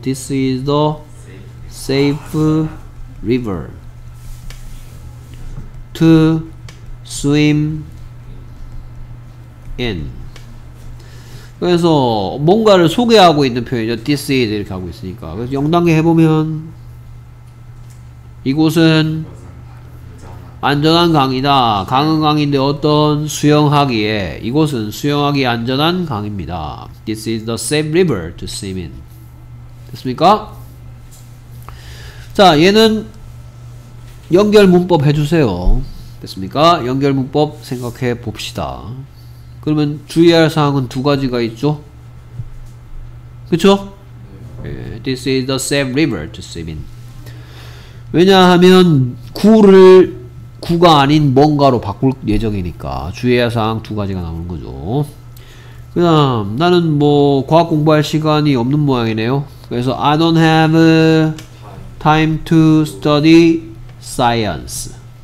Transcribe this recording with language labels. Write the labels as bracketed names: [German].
[English] This is the safe river to swim in. [Korean] 그래서 뭔가를 소개하고 있는 표현이죠. [English] This is [Korean] 이렇게 하고 있으니까. 그래서 영단계 해보면 이곳은 안전한 강이다. 강은 강인데 어떤 수영하기에. 이곳은 수영하기 안전한 강입니다. [English] This is the safe river to swim in. [Korean] 됐습니까? 자, 얘는 연결 문법 해주세요. 됐습니까? 연결 문법 생각해 봅시다. 그러면 주의할 사항은 두 가지가 있죠? 그쵸? [English] This is the safe river to swim in. [Korean] 왜냐하면 구를 구가 아닌 뭔가로 바꿀 예정이니까 주의할 사항 두 가지가 나오는 거죠. 그 다음 나는 뭐 과학 공부할 시간이 없는 모양이네요. [English] 그래서 I don't have time to study science.